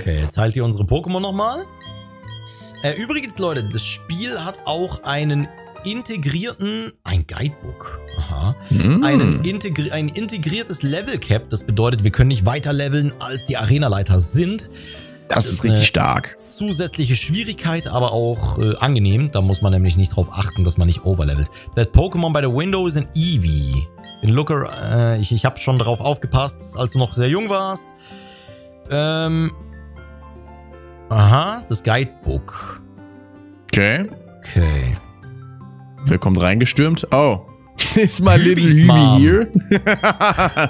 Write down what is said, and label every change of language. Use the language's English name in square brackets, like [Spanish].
[German] Okay, jetzt halt ihr unsere Pokémon nochmal. Übrigens, Leute, das Spiel hat auch einen integrierten... Ein Guidebook. Aha. Mm. Ein integriertes Level-Cap. Das bedeutet, wir können nicht weiter leveln, als die Arena-Leiter sind. Das ist richtig stark. Zusätzliche Schwierigkeit, aber auch angenehm. Da muss man nämlich nicht drauf achten, dass man nicht overlevelt. [English] That Pokémon by the window is an Eevee. [German] In Looker, ich habe schon darauf aufgepasst, als du noch sehr jung warst. Das Guidebook. Okay. Okay. Willkommen reingestürmt. [English] Oh. Is my little Eevee here?